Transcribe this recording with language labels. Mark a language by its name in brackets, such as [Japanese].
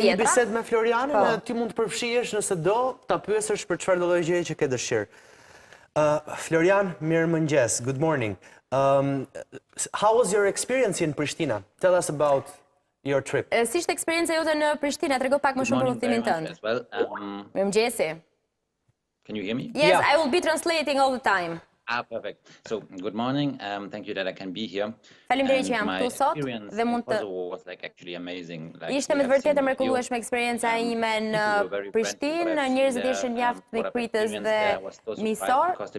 [Albanian] E bëjmë bisedë me Florianin, ti mund të përfshihesh nëse do, ta pyesësh për çfarë do lloj gjëje që ke dëshirë. [English] Florian, [Albanian] mirë mëngjes. [English] Good morning. How was your experience in Pristina? Tell us about your trip. [Albanian] Si ishte eksperjenca jote në Prishtinë? Trego pak më shumë për rrugtimin tënd. Mëngjesi. [English] Can you hear me? Yes, yeah. I will be translating all the time. Ah, perfect. So, good morning. Thank you that I can be here. [Albanian] Faleminderit që jam këtu sot. Dhe mund të [English] was like actually amazing. Like [Albanian] ishte me vërtetë mrekullueshme eksperjenca ime në Prishtinë. Njerëzit ishin mjaft mikpritës dhe miqësor.